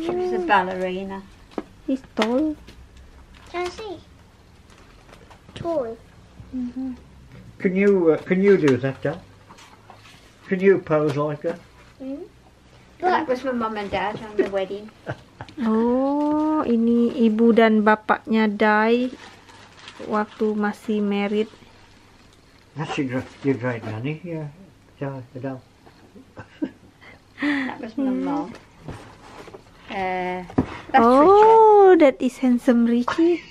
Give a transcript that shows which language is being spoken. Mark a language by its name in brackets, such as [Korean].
[English] She was a ballerina. He's tall. Can I see? Tall. Mm-hmm. Can you do that, Dad? Can you pose like her? Mm-hmm. That was my mum and dad on the wedding. [Indonesian] Oh, ini ibu dan bapaknya Dai waktu masih married. [English] That's your great nanny, yeah. That was my mom. That's Richard. That is handsome Richie.